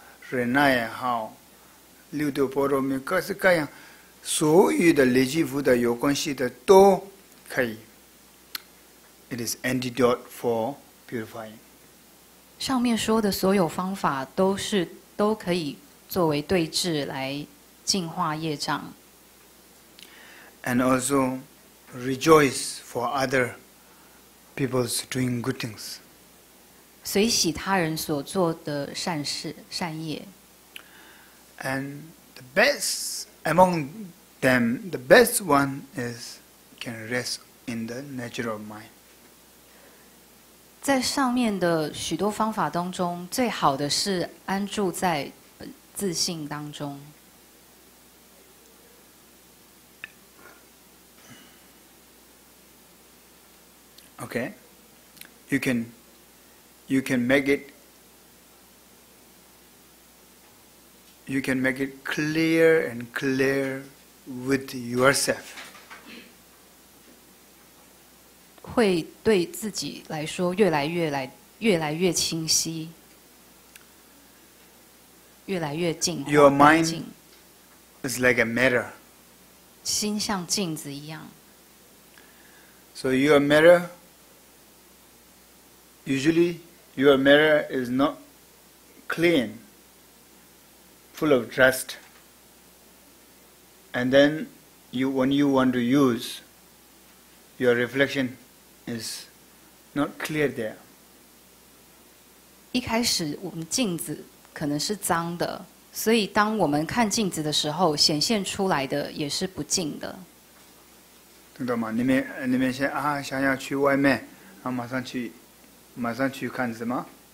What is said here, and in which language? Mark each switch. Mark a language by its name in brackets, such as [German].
[Chinese] 忍耐也好，六度波罗蜜各式各样，所有的累积福德有关系的都可以。 [English] It is antidote for purifying。 [Chinese] 上面说的所有方法都可以作为对治来净化业障。 [English] And also rejoice for other people's doing good things。 [Chinese] 随喜他人所做的善事善业。 [English] And the best among them, the best one is can rest in the natural mind. [Chinese] 在上面的许多方法当中，最好的是安住在自信当中。 [English] Okay, you can. You can make it. You can make it clear and clear with yourself. [Chinese] 会对自己来说越来越清晰，越来越净。 [English] Your mind is like a mirror. [Chinese] 心像镜子一样。 [English] So your mirror usually. Your mirror is not clean, full of dust. And then, when you want to use, your reflection is not clear there. [Chinese] 一开始我们镜子可能是脏的，所以当我们看镜子的时候，显现出来的也是不净的。听懂吗？你们先啊，想要去外面，啊，马上去看什么？